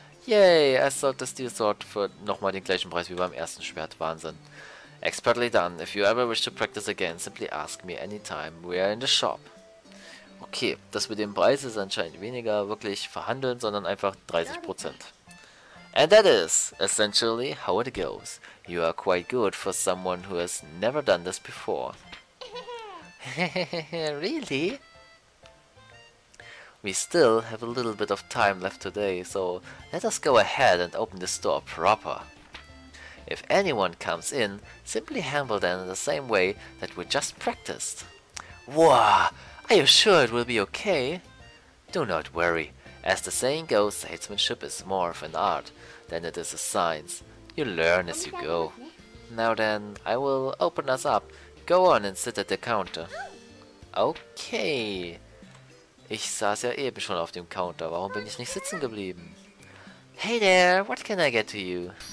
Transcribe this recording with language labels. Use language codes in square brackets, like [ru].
[en] Yay, I sold the steel sword for... [de] nochmal den gleichen Preis wie beim ersten Schwert. Wahnsinn. [en] Expertly done. If you ever wish to practice again, simply ask me anytime. We are in the shop. [de] Okay, das mit dem Preis ist anscheinend weniger wirklich verhandeln, sondern einfach 30%. [en] And that is essentially how it goes. You are quite good for someone who has never done this before. Really? We still have a little bit of time left today, so let us go ahead and open the store proper. If anyone comes in, simply handle them in the same way that we just practiced. Wow! Are you sure it will be okay? Do not worry. As the saying goes, salesmanship is more of an art than it is a science. You learn as you go. Now then, I will open us up. Go on and sit at the counter. Okay. [de] Ich saß ja eben schon auf dem Counter. Warum bin ich nicht sitzen geblieben? [en] Hey there, what can I get to you?